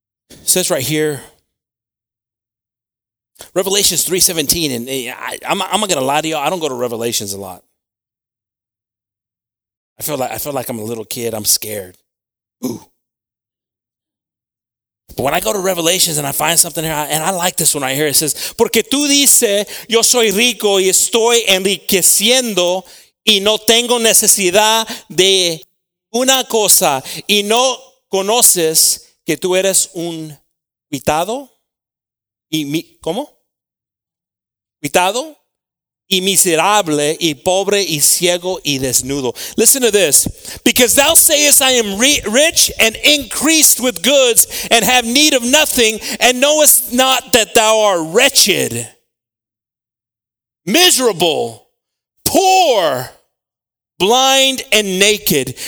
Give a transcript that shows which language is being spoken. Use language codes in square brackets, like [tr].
[en] It says right here, Revelations 3:17, and I'm not going to lie to y'all, I don't go to Revelations a lot. I feel like I'm a little kid, I'm scared. Ooh. But when I go to Revelations and I find something here, and I like this one right here, it says, [es] porque tú dices, yo soy rico y estoy enriqueciendo y no tengo necesidad de una cosa y no conoces que tú eres un cuidado y mi, ¿cómo? Cuidado y miserable y pobre y ciego y desnudo. [en] Listen to this. Because thou sayest, I am rich and increased with goods and have need of nothing, and knowest not that thou art wretched, miserable, poor, blind, and naked.